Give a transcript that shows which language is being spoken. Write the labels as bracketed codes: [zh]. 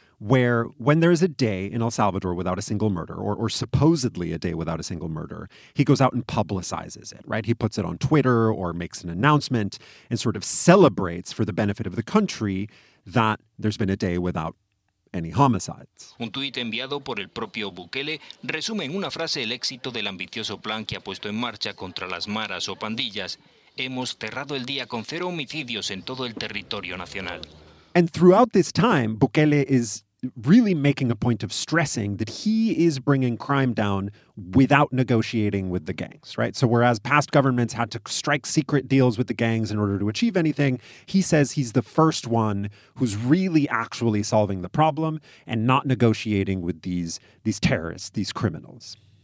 [en] where when there is a day in El Salvador without a single murder, or supposedly a day without a single murder, he goes out and publicizes it, right? He puts it on Twitter or makes an announcement and sort of celebrates for the benefit of the country that there's been a day without any homicides. [es] Un tuit enviado por el propio Bukele resume en una frase el éxito del ambicioso plan que ha puesto en marcha contra las maras o pandillas. Hemos cerrado el día con cero homicidios en todo el territorio nacional. [en] And throughout this time, Bukele is really making a point of stressing that he is bringing crime down without negotiating with the gangs, right? So whereas past governments had to strike secret deals with the gangs in order to achieve anything, he says he's the first one who's really actually solving the problem and not negotiating with these terrorists, these criminals.